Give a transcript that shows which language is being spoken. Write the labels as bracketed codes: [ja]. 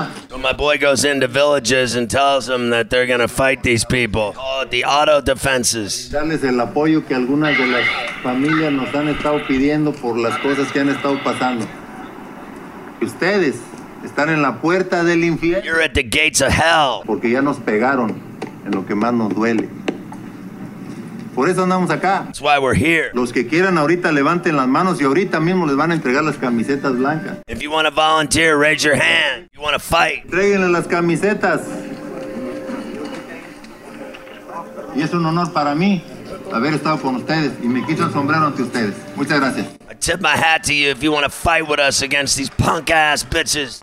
[en] So my boy goes into villages and tells them that they're going to fight these people. Call it the auto defenses. [es] Darles el apoyo que algunas de las familias nos han estado pidiendo por las cosas que han estado pasando. Ustedes están en la puerta del infierno. [en] You're at the gates of hell. [es] Porque ya nos pegaron en lo que más nos duele. Por eso andamos acá. [en] That's why we're here. [es] Los que quieran ahorita levanten las manos y ahorita mismo les van a entregar las camisetas blancas. [en] If you want to volunteer, raise your hand. You want to fight. [es] Entréguenle las camisetas. Y es un honor para mí haber estado con ustedes y me quito el sombrero ante ustedes. Muchas gracias. [en] I tip my hat to you if you want to fight with us against these punk ass bitches.